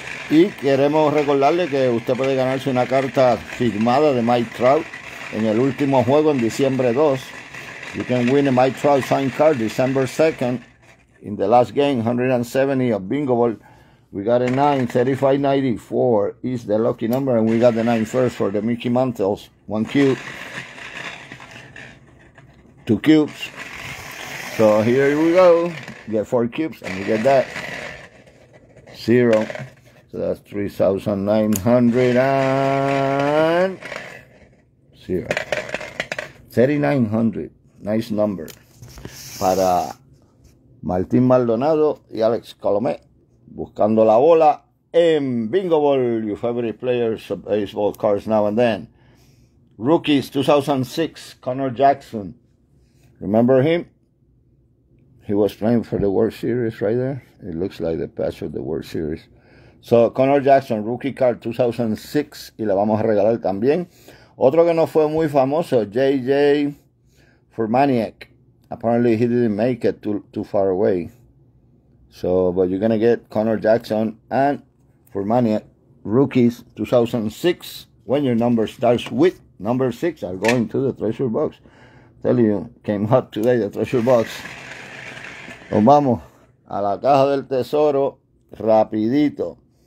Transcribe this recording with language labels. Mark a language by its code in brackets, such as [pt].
[es] Y queremos recordarle que usted puede ganarse una carta firmada de Mike Trout en el último juego en diciembre 2. [en] You can win a Mike Trout signed card December 2nd in the last game, 170 of Vingoball. We got a 9, 3594 is the lucky number, and we got the 9 first for the Mickey Mantles. 1 cube. 2 cubes. So here we go. Get 4 cubes and you get that. 0. So that's 3,900 and 0. 3,900. Nice number. Para Martín Maldonado y Alex Colomé. [es] Buscando la bola en Vingoball. [en] Your favorite players of baseball cards now and then. Rookies 2006. Connor Jackson. Remember him? He was playing for the World Series right there. It looks like the patch of the World Series. [es] So, Connor Jackson, rookie card 2006. Y le vamos a regalar también. Otro que no fue muy famoso, J.J. [en] Furmaniac. Apparently, he didn't make it too far away. So, but you're going to get Connor Jackson and Furmaniac, rookies 2006. When your number starts with number 6, are going to the treasure box. Tell you, came hot today, the treasure box. [es] Nos vamos a la caja del tesoro rapidito.